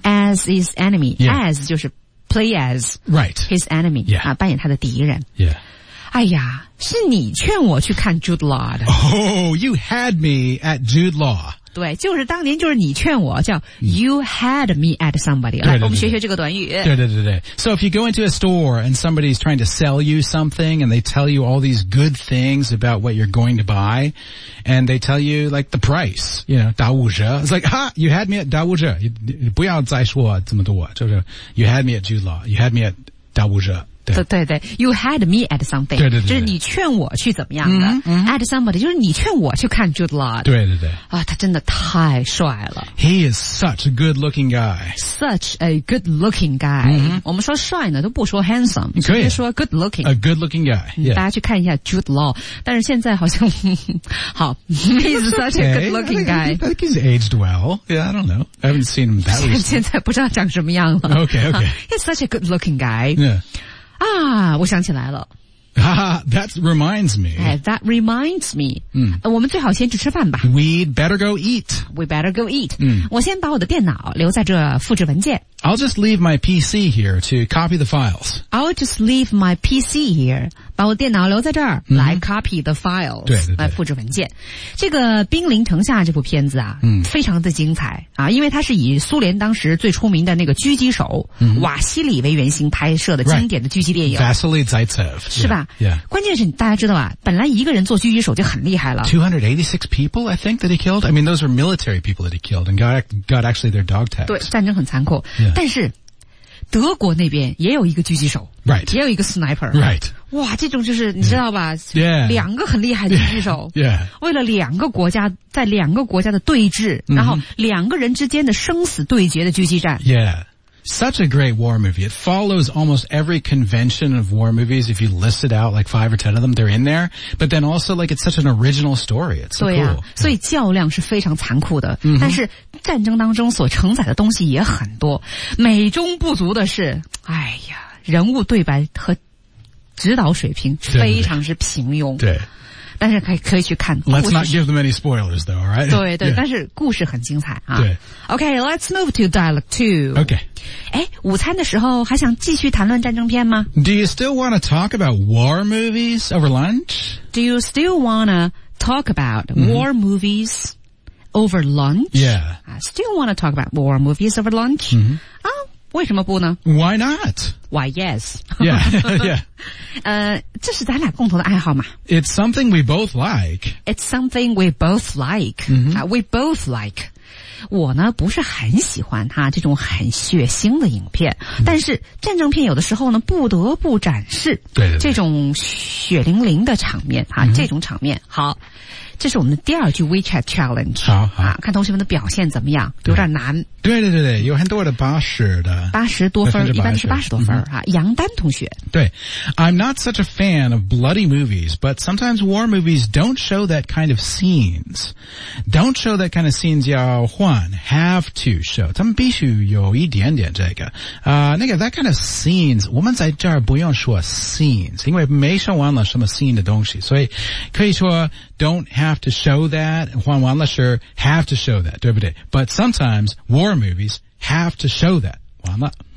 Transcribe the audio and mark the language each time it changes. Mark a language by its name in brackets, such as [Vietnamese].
[English] as his enemy.、 Yeah. [Chinese] As 就是 [English] play as、 right. his enemy.、 Yeah. [Chinese] 啊、扮演他的敌人。 [English] Yeah. [Chinese] 哎呀是你劝我去看 Jude Law 的。 [English] Oh, you had me at Jude Law. [Chinese] 对就是当年就是你劝我叫、 [English] mm. you had me at somebody. [Chinese] 对对对对来我们学学这个短语。对对对对。 [English] So if you go into a store and somebody's trying to sell you something and they tell you all these good things about what you're going to buy,And they tell you, like, the price, you know, [Chinese] 打五折 [English] It's like, ha, you had me at 打五折 不要再说这么多就是 You had me at Jude Law, you had me at 打五折 [Chinese] 对对对 [English] You had me at something [Chinese] 对对对就是你劝我去怎么样的、 mm-hmm. [English] At somebody, [Chinese] 就是你劝我去看 Jude Law 对对对啊，他真的太帅了 [English] He is such a good looking guy Such a good looking guy、 mm-hmm. [Chinese] 我们说帅呢都不说 handsome 可以 [English] 说 good looking A good looking guy、yeah. [Chinese] 大家去看一下 Jude Law 但是现在好像好 [English] He's such、 okay. a good looking guy I think he's aged well Yeah, I don't know I haven't seen him that recently [Chinese] 现在不知道长什么样了 [English] Okay He's such a good looking guy Yeah [Chinese] 啊我想起来了。哈哈 [English] that reminds me. [Chinese] 哎 [English] that reminds me.、嗯、 [Chinese] 我们最好先去吃饭吧。 [English] We'd better go eat. We better go eat.、嗯、 [Chinese] 我先把我的电脑留在这复制文件。 [English] I'll just leave my PC here to copy the files. I'll just leave my PC here. [Chinese] 把我电脑留在这儿、 [English] mm-hmm. [Chinese] 来 [English] copy the files. [Chinese] 对对对。来复制文件。这个兵临城下这部片子啊、嗯、非常的精彩啊，因为它是以苏联当时最出名的那个狙击手、嗯、瓦西里为原型拍摄的经典的狙击电影。 [English] Vasily Zaitsev. [Chinese] 是吧 [English] yeah, yeah. [Chinese] 关键是大家知道啊，本来一个人做狙击手就很厉害了。 [English] 286 people, I think, that he killed. I mean, those are military people that he killed and got actually their dog tags. [Chinese] 对，战争很残酷。 [English] Yeah. [Chinese] 但是德国那边也有一个狙击手 [English] ，right， [Chinese] 也有一个 sniper， [English] right， [Chinese] 哇，这种就是你知道吧？ [English] Yeah. [Chinese] 两个很厉害的狙击手， [English] yeah. Yeah. [Chinese] 为了两个国家在两个国家的对峙， mm-hmm. 然后两个人之间的生死对决的狙击战 [English] ，yeah， such a great war movie. It follows almost every convention of war movies. If you list it out like 5 or 10 of them, they're in there. But then also like it's such an original story. It's so、啊、 cool. [Chinese] 所以较量是非常残酷的， mm-hmm. 但是。战争当中所承载的东西也很多，美中不足的是，哎呀，人物对白和指导水平非常之平庸。对，但是可以去看。 [English] Let's not give them any spoilers, though. All right. [Chinese] 对对， [English] yeah. [Chinese] 但是故事很精彩啊。对。 [English] Okay, let's move to dialogue two. Okay. [Chinese] 哎，午餐的时候还想继续谈论战争片吗 [English] ？Do you still want to talk about war movies over lunch? Do you still want to talk about war movies? Over lunch? Yeah. I still want to talk about war movies over lunch? Mm-hmm. [Chinese] 啊，为什么不呢 [English] ？Why not? Why yes? Yeah, yeah. [Chinese] 这是咱俩共同的爱好嘛。 [English] It's something we both like. It's something we both like.、 Mm-hmm. We both like. [Chinese] 我呢不是很喜欢哈这种很血腥的影片、 mm-hmm. 但是战争片有的时候呢不得不展示对对对这种血淋淋的场面哈、 mm-hmm. 这种场面好。这是我们的第二句 [English] WeChat Challenge [Chinese] 好好、啊、看同学们的表现怎么样有点难对对对对有很多的80的 80多分一般是80多分、嗯啊、杨丹同学 [English] 对 I'm not such a fan of bloody movies but sometimes war movies don't show that kind of scenes don't show that kind of scenes [Chinese] 要换 [English] have to show [Chinese] 他们必须有一点点这个、那个 [English] that kind of scenes [Chinese] 我们在这儿不用说 [English] scenes [Chinese] 因为没说完了什么 [English] scene [Chinese] 的东西所以可以说 [English] Don't have to show that, [Chinese] 换完了 [English] sure, have to show that, [Chinese] 对不对 [English] But sometimes war movies have to show that, [Chinese] 完了。